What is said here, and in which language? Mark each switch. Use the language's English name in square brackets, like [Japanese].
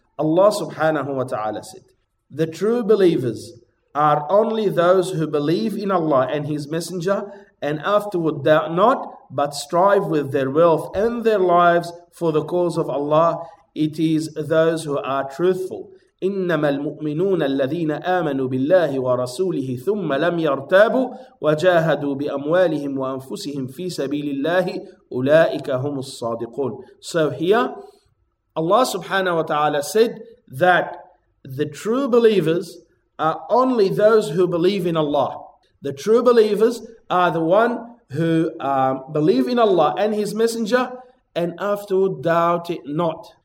[English] Allah subhanahu wa ta'ala said, the true believers are only those who believe in Allah and His Messenger, and afterward doubt not, but strive with their wealth and their lives for the cause of Allah. It is those who are truthful. [Arabic] إنما المؤمنون الذين آمنوا بالله ورسوله ثم لم يرتابوا وجاهدوا بأموالهم وأنفسهم في سبيل الله أولئك هم الصادقون. [English] So here, Allah subhanahu wa ta'ala said that the true believers are only those who believe in Allah. The true believers are the one who believe in Allah and His Messenger and afterward doubt it not.